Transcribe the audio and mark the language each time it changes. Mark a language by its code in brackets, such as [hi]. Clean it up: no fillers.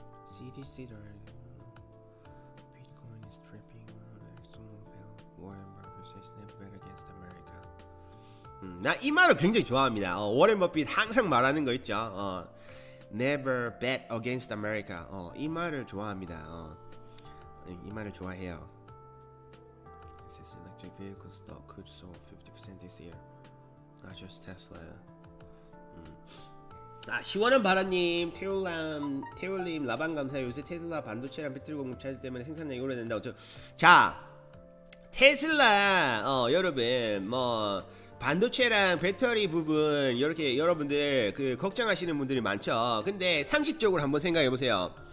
[en] CDC Bitcoin is tripping on ExxonMobil. Warren Buffett says never bet against America. [ko] 나 이 말을 굉장히 좋아합니다. 워렌 버핏 항상 말하는 거 있죠. [en] Never bet against America. [ko] 이 말을 좋아합니다. 이 말을 좋아해요. [en] It says electric vehicle stock could soar 50% this year. Not just Tesla. [ko] 아 시원한 바라님, 태울님, 라방 감사해. 요새 테슬라 반도체랑 배터리 공급 차질 때문에 생산량이 오래된다. 자, 테슬라 여러분 뭐. 반도체랑 배터리 부분 이렇게 여러분들 그 걱정하시는 분들이 많죠. 근데 상식적으로 한번 생각해보세요.